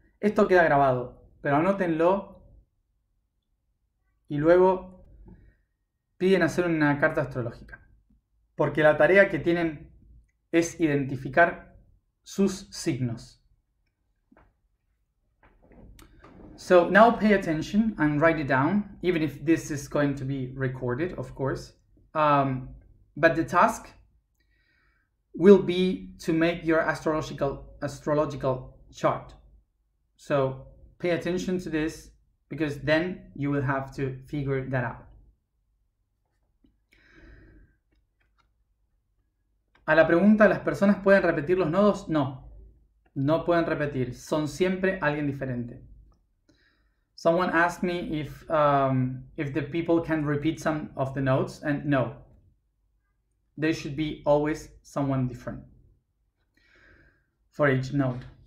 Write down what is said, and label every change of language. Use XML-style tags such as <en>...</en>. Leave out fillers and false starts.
<es>Esto queda grabado, pero anótenlo y luego piden hacer una carta astrológica. Porque la tarea que tienen es identificar sus signos.</es> <en>So now pay attention and write it down, even if this is going to be recorded, of course. But the task will be to make your astrological chart. So pay attention to this because then you will have to figure that out.</en> <es>A la pregunta, ¿las personas pueden repetir los nodos? No, no pueden repetir. Son siempre alguien diferente.</es> <en>Someone asked me if the people can repeat some of the nodes, and no. There should be always someone different for each node.</en>